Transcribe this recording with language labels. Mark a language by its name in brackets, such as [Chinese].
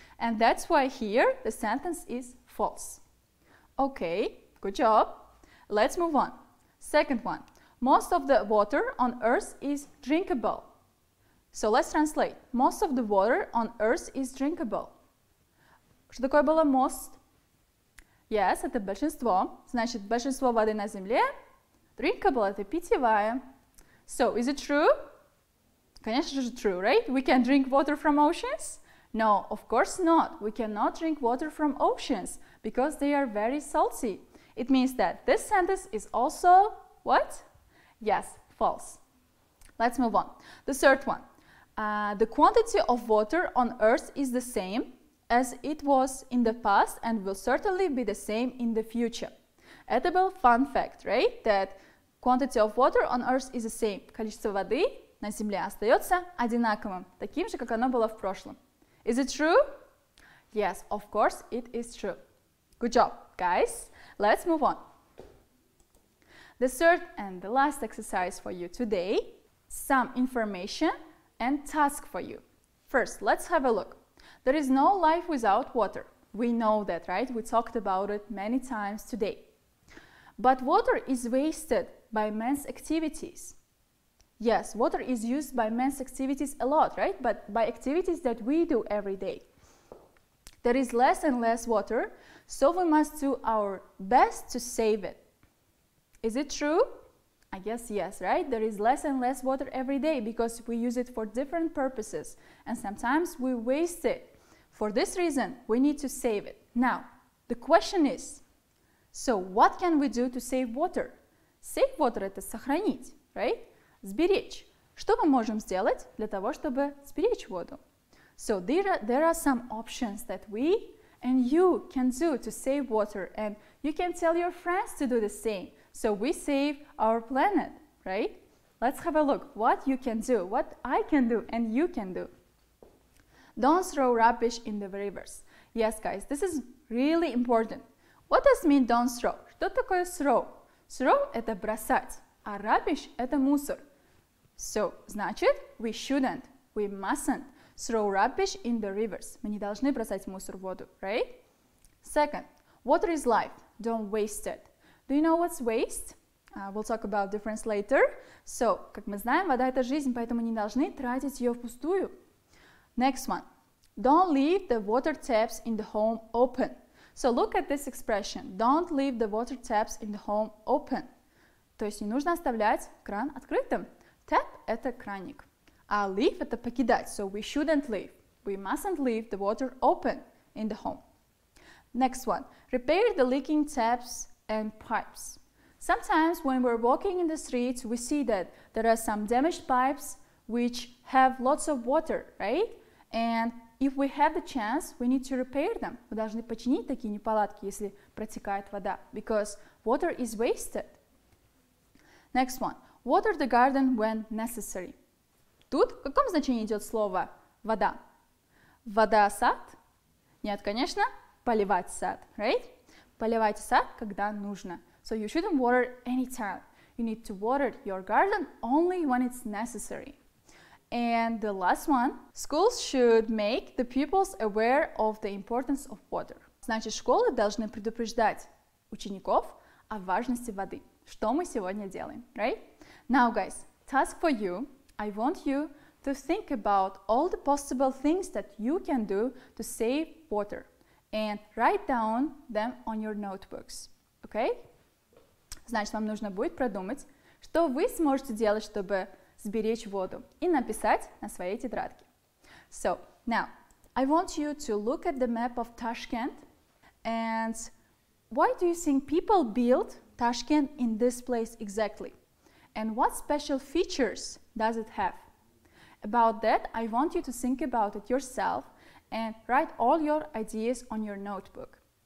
[English] And that's why here the sentence is false. Okay, good job. Let's move on. Second one. Most of the water on Earth is drinkable. So let's translate. Most of the water on Earth is drinkable. [Russian] Что такое было most? Yes, это большинство. Значит, большинство воды на Земле drinkable, это питьевая. [English] So, is it true? [Russian] Конечно же, [English] true, right? We can drink water from oceans? No, of course not. We cannot drink water from oceans because they are very salty. It means that this sentence is also what? Yes, false. Let's move on. The third one. The quantity of water on Earth is the same as it was in the past and will certainly be the same in the future. Edible fun fact, right? That quantity of water on Earth is the same. [Russian] Количество воды на Земле остается одинаковым, таким же, как оно было в прошлом. [English] Is it true? Yes, of course it is true. Good job, guys. Let's move on. The third and the last exercise for you today. Some information and task for you. First, let's have a look. There is no life without water. We know that, right? We talked about it many times today. But water is wasted by man's activities. Yes, water is used by men's activities a lot, right? But by activities that we do every day. There is less and less water, so we must do our best to save it. Is it true? I guess yes, right? There is less and less water every day because we use it for different purposes and sometimes we waste it. For this reason, we need to save it. Now, the question is, so what can we do to save water? [Russian] Save water – это сохранить, right? Сберечь. Что мы можем сделать для того, чтобы сберечь воду? [English] So there are some options that we and you can do to save water, and you can tell your friends to do the same. So we save our planet, right? Let's have a look what you can do, what I can do and you can do. Don't throw rubbish in the rivers. Yes, guys, this is really important. What does mean don't throw? [Russian] Что такое throw? Throw – это бросать, а rubbish – это мусор. [English] So, [Russian] значит, [English] we shouldn't, we mustn't throw rubbish in the rivers. [Russian] Мы не должны бросать мусор в воду, right? [English] Second, water is life, don't waste it. Do you know what's waste? We'll talk about difference later. [Russian] So, как мы знаем, вода – это жизнь, поэтому не должны тратить ее впустую. [English] Next one, don't leave the water taps in the home open. So look at this expression, don't leave the water taps in the home open. [Russian] То есть не нужно оставлять кран открытым. Tap – это краник, а leave – это покидать. [English] So we shouldn't leave, we mustn't leave the water open in the home. Next one, repair the leaking taps and pipes. Sometimes when we're walking in the streets, we see that there are some damaged pipes which have lots of water, right? And if we have the chance, we need to repair them. [Russian] Мы должны починить такие неполадки, если протекает вода, [English] because water is wasted. Next one. Water the garden when necessary. [Russian] Тут в каком значении идет слово вода? Вода сад? Нет, конечно, поливать сад, right? Поливать сад, когда нужно. [English] So you shouldn't water anytime. You need to water your garden only when it's necessary. And the last one, schools should make the pupils aware of the importance of water. [Russian] Значит, школы должны предупреждать учеников о важности воды. Что мы сегодня делаем, [English] right? Now, guys, task for you. I want you to think about all the possible things that you can do to save water and write down them on your notebooks, okay? [Russian] Значит, вам нужно будет продумать, что вы сможете делать, чтобы сберечь воду и написать на своей тетрадке. [English] So, now, I want you to look at the map of Tashkent. And why do you think people built Tashkent in this place exactly? And what special features does it have? About that, I want you to think about it yourself and write all your ideas on your notebook.